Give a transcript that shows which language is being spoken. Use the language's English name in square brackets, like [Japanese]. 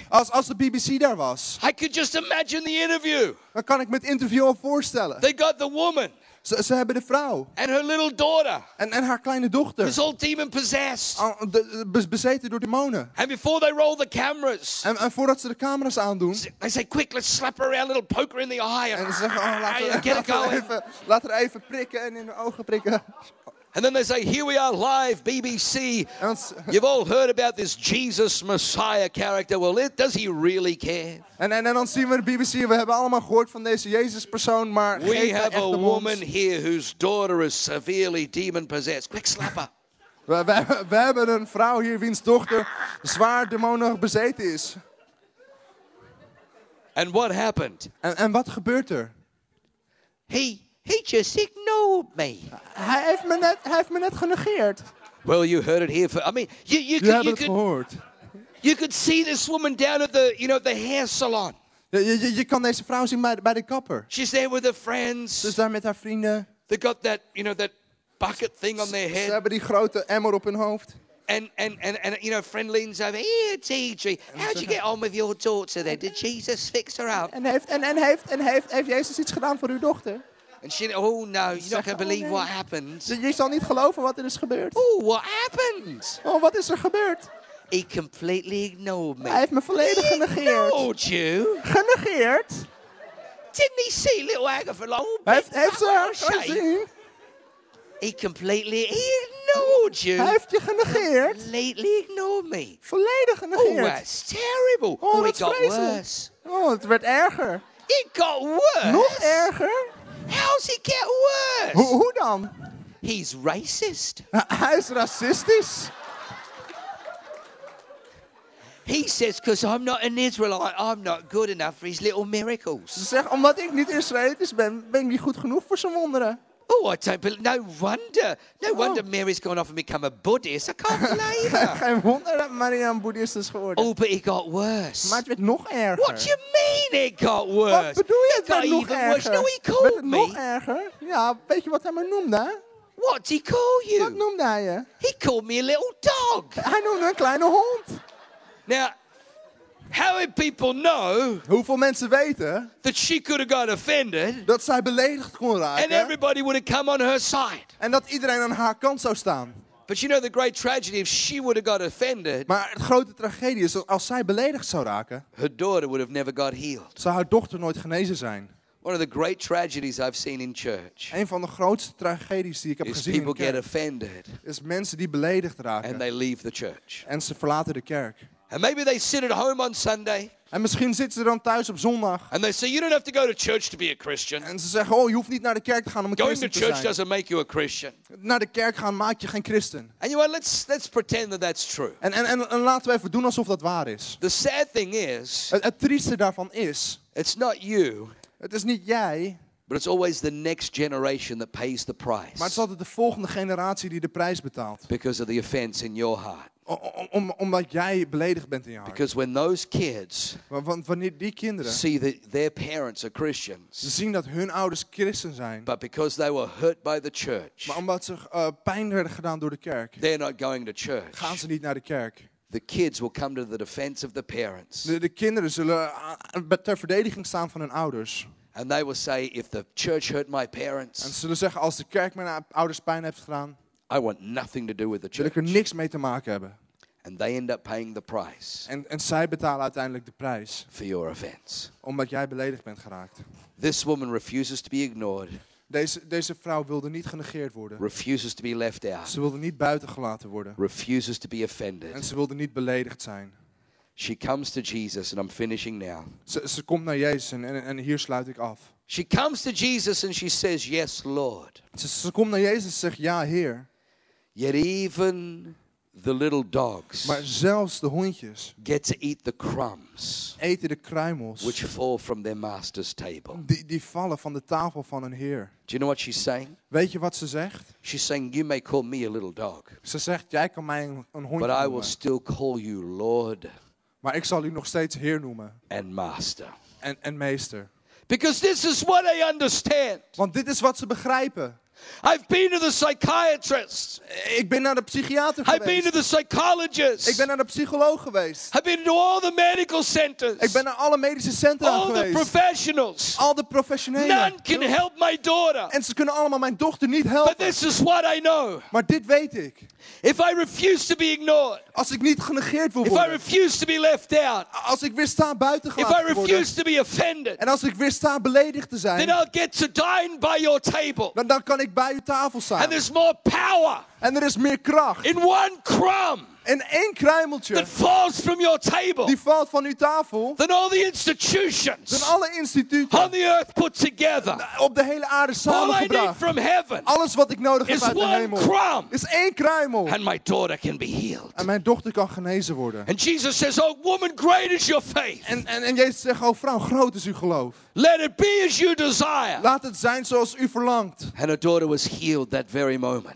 [Dutch] Als de BBC daar was. [English] I could just imagine the interview. [Dutch] Dan kan ik me het interview al voorstellen. [English] They got the woman. [Dutch] Ze hebben de vrouw. [English] And her little daughter. [Dutch] En haar kleine dochter. [English] Is all demon possessed. [Dutch] Bezeten door demonen. [English] And before they roll the cameras. [Dutch] En voordat ze de camera's aandoen. [English] They say, quick, let's slap her around, a little poker in the eye. [Dutch] En ze zeggen, oh, laat haar even prikken en in de ogen prikken. [English] And then they say, here we are live, BBC. You've all heard about this Jesus Messiah character. Well, does he really care? [Dutch] En dan zien we de BBC. We hebben allemaal gehoord van deze Jezus persoon, maar [English] we have a woman here whose daughter is severely demon possessed. Quick slapper. [Dutch] We hebben een vrouw hier wiens dochter zwaar demonisch bezeten is. [English] And what happened? [Dutch] En wat gebeurt er? [English] He just ignored me. [Dutch] Hij heeft me net genegeerd. [English] Well, you heard it here. You could see this woman down at the, you know, the hair salon. [Dutch] Je kan deze vrouw zien bij de kapper. [English] She's there with her friends. [Dutch] Ze is daar met haar vrienden. [English] They got that, you know, that bucket thing on their head. [Dutch] Ze hebben die grote emmer op hun hoofd. [English] And you know, friend leans over. Hey, TG, how'd you get on with your daughter then? Did Jesus fix her up? [Dutch] En heeft Jezus iets gedaan voor uw dochter? [English] And she, oh no, you're not going to believe what happened. [Dutch] Je zal niet geloven wat er is gebeurd. [English] Oh, what happened? [Dutch] Oh, wat is er gebeurd? [English] He completely ignored me. [Dutch] Hij heeft me volledig genegeerd. [English] He ignored you? [Dutch] Genegeerd? [English] Didn't he see little Agatha Long? [Dutch] Heeft ze haar gezien? [English] He ignored you. [Dutch] Hij heeft je genegeerd. [English] Completely ignored me. [Dutch] Volledig genegeerd. [English] Oh, that's terrible. Oh, it got worse. [Dutch] Oh, het werd erger. [English] It got worse. [Dutch] Nog erger. [English] How's he get worse? [Dutch] Hoe dan? [English] He's racist. [Dutch] Hij is racistisch. [English] He says, because I'm not an Israelite, I'm not good enough for his little miracles. [Dutch] Zeg, omdat ik niet Israëlisch ben ik niet goed genoeg voor zijn wonderen. [English] Oh, I don't believe. No wonder. No wonder Mary's gone off and become a Buddhist. I can't believe her. [Dutch] Geen wonder dat Maria een Buddhist is geworden. [English] Oh, but it got worse. [Dutch] Maar het werd nog erger. [English] What do you mean it got worse? [Dutch] Wat bedoel je, [English] it [Dutch] werd nog erger? [English] Worse. No, he called [Dutch] werd het [English] me. [Dutch] Nog erger? Ja, weet je wat hij me noemde? [English] What did he call you? [Dutch] Wat noemde hij je? [English] He called me a little dog. [Dutch] Hij noemde een kleine hond. [English] Now, how many people know? [Dutch] Hoeveel mensen weten [English] that she could have got offended? [Dutch] Dat zij beledigd kon raken. [English] And everybody would have come on her side. [Dutch] En dat iedereen aan haar kant zou staan. [English] But you know the great tragedy if she would have got offended. [Dutch] Maar het grote tragedie is dat als zij beledigd zou raken. [English] Her daughter would have never got healed. [Dutch] Zou haar dochter nooit genezen zijn. [English] One of the great tragedies I've seen in church. [Dutch] Een van de grootste tragedies die ik heb gezien in kerk. [English] Is people get offended. [Dutch] Is mensen die beledigd raken. [English] And they leave the church. [Dutch] En ze verlaten de kerk. [English] And maybe they sit at home on Sunday. [Dutch] En misschien zitten ze dan thuis op zondag. [English] And they say you don't have to go to church to be a Christian. [Dutch] En ze zeggen, oh, je hoeft niet naar de kerk te gaan om een christen te zijn. [English] Going to church doesn't make you a Christian. [Dutch] Naar de kerk gaan maakt je geen christen. [English] And you know, let's pretend that that's true. [Dutch] En laten we even doen alsof dat waar is. [English] The sad thing is. [Dutch] Het trieste daarvan is. [English] It's not you. [Dutch] Het is niet jij. [English] But it's always the next generation that pays the price. [Dutch] Maar het is altijd de volgende generatie die de prijs betaalt. [English] Because of the offense in your heart. [Dutch] Omdat jij beledigd bent in je hart. [English] Because when those kids, [Dutch] want wanneer die kinderen, [English] see that their parents are Christians, [Dutch] zien dat hun ouders christen zijn, [English] but because they were hurt by the church, [Dutch] maar omdat ze pijn werden gedaan door de kerk, [English] they're not going to church. [Dutch] Gaan ze niet naar de kerk. [English] The kids will come to the defense of the parents. [Dutch] De kinderen zullen ter verdediging staan van hun ouders. [English] And they will say, if the church hurt my parents, [Dutch] en ze zullen zeggen, als de kerk mijn ouders pijn heeft gedaan, [English] I want nothing to do with the church. [Dutch] Wil ik er niks mee te maken hebben. [English] And they end up paying the price. [Dutch] En zij betalen uiteindelijk de prijs. [English] For your offense. [Dutch] Omdat jij beledigd bent geraakt. [English] This woman refuses to be ignored. [Dutch] Deze vrouw wilde niet genegeerd worden. [English] Refuses to be left out. [Dutch] Ze wilde niet buitengelaten worden. [English] Refuses to be offended. [Dutch] En ze wilde niet beledigd zijn. [English] She comes to Jesus and I'm finishing now. [Dutch] Ze komt naar Jezus en hier sluit ik af. [English] She comes to Jesus and she says, "Yes, Lord." [Dutch] Ze komt naar Jezus en zegt, ja, Heer. [English] Yet even the little dogs, [Dutch] maar zelfs de hondjes, [English] get to eat the crumbs, [Dutch] eten de kruimels, [English] which fall from their master's table. [Dutch] Die vallen van de tafel van hun heer. [English] Do you know what she's saying? [Dutch] Weet je wat ze zegt? [English] She's saying, you may call me a little dog. [Dutch] Ze zegt, jij kan mij een hondje noemen. [English] But I will still call you Lord. [Dutch] Maar ik zal u nog steeds heer noemen. [English] And master. [Dutch] En meester. [English] Because this is what I understand. [Dutch] Want dit is wat ze begrijpen. [English] I've been to the psychiatrist. [Dutch] Ik ben naar de psychiater geweest. [English] I've been to the psychologist. [Dutch] Ik ben naar de psycholoog geweest. [English] I've been to all the medical centers. [Dutch] Ik ben naar alle medische centra geweest. [English] All the professionals. [Dutch] Al de professionelen. [English] None can help my daughter. [Dutch] En ze kunnen allemaal mijn dochter niet helpen. [English] But this is what I know. [Dutch] Maar dit weet ik. [English] If I refuse to be ignored. [Dutch] Als ik niet genegeerd wil worden. [English] If I refuse to be left out. [Dutch] Als ik weer sta buiten gelaten te worden. [English] If I refuse to be offended. [Dutch] En als ik weer sta beledigd te zijn. [English] Then I'll get to dine by your table. [Dutch] Dan kan ik bij uw tafel staan. [English] And there's more power. [Dutch] En er is meer kracht. [English] In one crumb. [Dutch] In één kruimeltje. [English] That falls from your table. [Dutch] Die valt van uw tafel. [English] Than all the institutions. [Dutch] Dan alle instituten. [English] On the earth put together. [Dutch] Op de hele aarde samengebracht. [English] All I need from heaven. [Dutch] Alles wat ik nodig heb uit de hemel. [English] Is one crumb. [Dutch] Is één kruimel. [English] And my daughter can be healed. [Dutch] En mijn dochter kan genezen worden. [English] And Jesus says, "Oh woman, great is your faith." [Dutch] En Jezus zegt, oh vrouw, groot is uw geloof. [English] Let it be as you desire. [Dutch] Laat het zijn zoals u verlangt. [English] And her daughter was healed that very moment.